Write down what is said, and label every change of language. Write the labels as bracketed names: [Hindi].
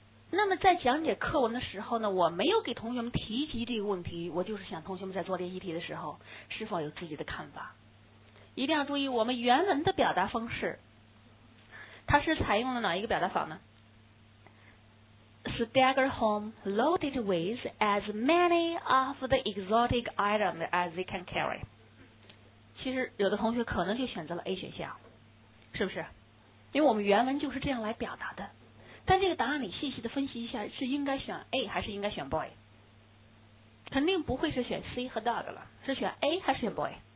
[Chinese] 那么在讲解课文的时候呢，我没有给同学们提及这个问题，我就是想同学们在做练习题的时候是否有自己的看法。一定要注意我们原文的表达方式，它是采用了哪一个表达法呢？ [English] Stagger home loaded with as many of the exotic items as they can carry。 [Chinese] 其实有的同学可能就选择了 A 选项，是不是？因为我们原文就是这样来表达的，但这个答案你细细的分析一下，是应该选 A 还是应该选 boy？肯定不会是选 C 和 dog 了，是选 A 还是选 boy？